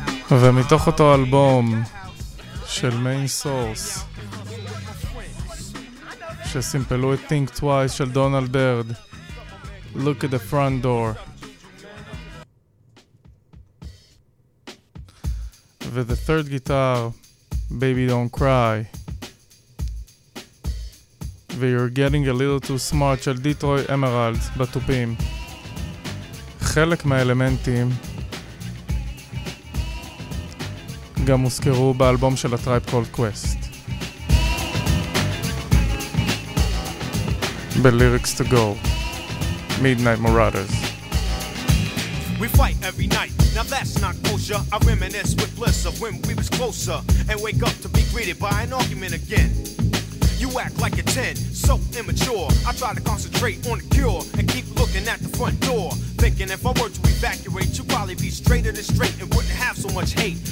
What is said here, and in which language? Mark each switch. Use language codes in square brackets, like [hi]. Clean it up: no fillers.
[he] ומתוך אותו אלבום של מיין סורס שסימפלו את Think Twice של דונלד ברד, Look at the Front Door ו-The Third Guitar, Baby Don't Cry ו-You're Getting a Little Too Smart של דיטרוי אמרלדס בתופים. חלק מהאלמנטים גם הוזכרו באלבום של הטרייב קולד קווסט. בליריקס טו גו, Midnight Marauders. [en] We fight every night, now that's not kosher. I reminisce with bliss of when we was closer. And wake up to be greeted by an argument again. You act like a 10, so immature. I try to concentrate on the cure and keep looking at the front door. Thinking if I were to evacuate, you'd probably be straighter than straight and wouldn't have so much hate.